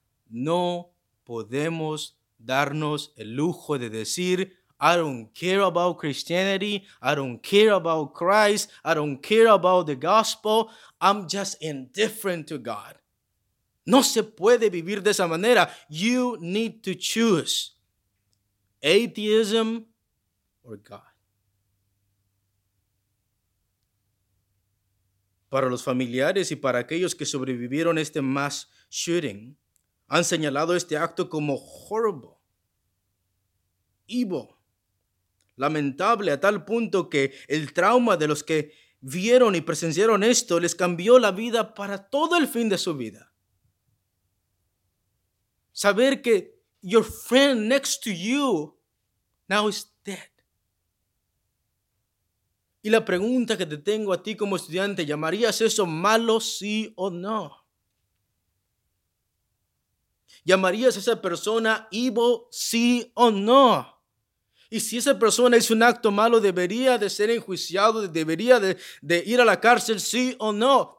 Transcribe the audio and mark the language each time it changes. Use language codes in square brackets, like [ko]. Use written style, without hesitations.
[es] No podemos darnos el lujo de decir, [en] I don't care about Christianity, I don't care about Christ, I don't care about the gospel, I'm just indifferent to God. [es] No se puede vivir de esa manera. [en] You need to choose atheism or God. [es] Para los familiares y para aquellos que sobrevivieron este mass shooting, han señalado este acto como horrible, evil, lamentable, a tal punto que el trauma de los que vieron y presenciaron esto les cambió la vida para todo el fin de su vida. Saber que [en] your friend next to you now is dead. [es] Y la pregunta que te tengo a ti como estudiante, ¿llamarías eso malo, sí o no? ¿Llamarías a esa persona evil, sí o no? Y si esa persona hizo un acto malo, ¿debería de ser enjuiciado, debería de ir a la cárcel, sí o no?